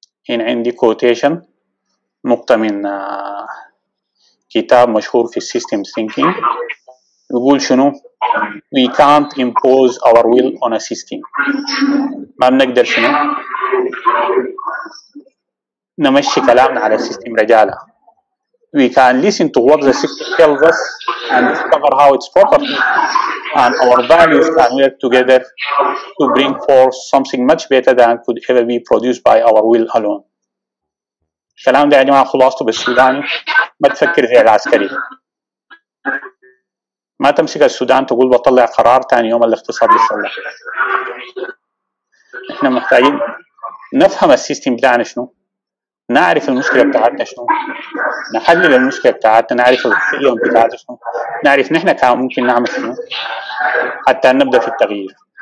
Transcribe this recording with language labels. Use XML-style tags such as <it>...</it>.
<ar>هنا عندي كوتيشن نقطة من كتاب مشهور في السيستم ثينكينج، يقول شنو؟</ar> <en>We can't impose our will on a system.</en> <ar>ما بنقدر شنو؟ نمشي كلامنا على السيستم رجالة.</ar> <en>We can listen to what the system tells us and discover how it's property and our values can work together to bring forth something much better than could ever be produced by our will alone.</en> <ar>الكلام ده يا جماعه خلاصته بالسوداني، ما تفكر زي العسكري، ما تمسك السودان تقول بطلع قرار ثاني يوم الاقتصاد يصلح. احنا محتاجين نفهم السيستم بتاعنا شنو، نعرف المشكله بتاعتنا شنو، نحلل المشكله بتاعتنا، نعرف الفيلم بتاعتنا شنو، نعرف نحن كم ممكن نعمل شنو حتى نبدا في التغيير.</ar>